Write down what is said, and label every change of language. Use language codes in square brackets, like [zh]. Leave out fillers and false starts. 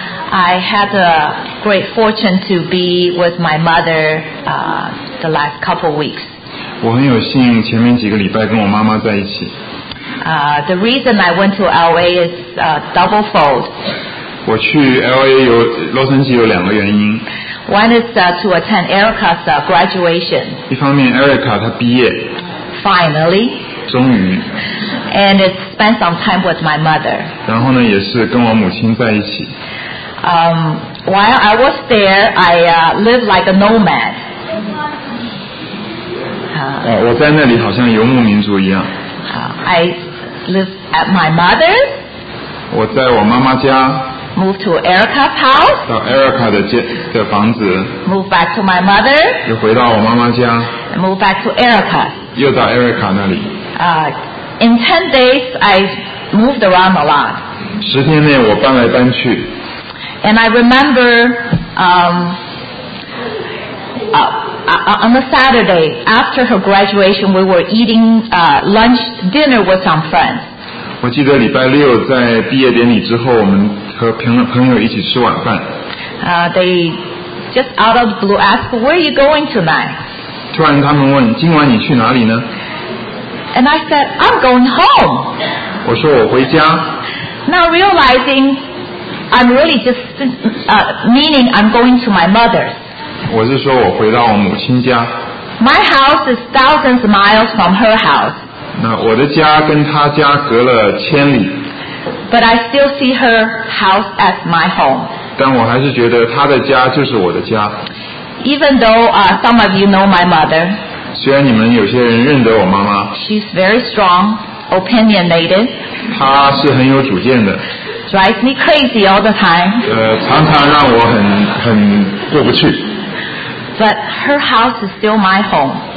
[en] I had a great fortune to be with my mother the last couple weeks. [zh] 我很有幸前面几个礼拜跟我妈妈在一起。 [en] The reason I went to LA is double-fold. [zh] 我去 LA 有洛杉矶有两个原因。 [en] One is to attend Erica's graduation. [zh] 一方面 ，Erica 她毕业。 [en] Finally. [zh] 终于。 [en] And it's spend some time with my mother. [zh] 然后呢，也是跟我母亲在一起。 [en] While I was there, I lived like a nomad. [zh] 我在那里好像游牧民族一样。 [en] I live at my mother's. [zh] 我在我妈妈家。 [en] Move to Erica's house. [zh] 到 Erica 的房子。 [en] Move back to my mother. [zh] 又回到我妈妈家。 [en] Move back to Erica. [zh] 又到 Erica 那里。 [en] In 10 days, I moved around a lot. [zh] 十天内我搬来搬去。 [en] And I remember, on a Saturday after her graduation, we were eating lunch dinner with some friends. [zh] 我记得礼拜六在毕业典礼之后，我们和朋友一起吃晚饭。 [en] They just out of the blue asked, "Where are you going tonight?" [zh] 突然他们问，今晚你去哪里呢？ [en] And I said, I'm going home. [zh] 我说我回家。 [en] Now realizing, I'm really just meaning I'm going to my mother's. [zh] 我是说我回到我母亲家。 [en] My house is thousands of miles from her house. [zh] 那我的家跟她家隔了千里。 [en] But I still see her house as my home. [zh] 但我还是觉得她的家就是我的家。 [en] Even though some of you know my mother. [zh] 虽然你们有些人认得我妈妈 [en] She's very strong, opinionated. [zh] 她是很有主见的 [en] Drives me crazy all the time. [zh] 常常让我很过不去 [en] But her house is still my home.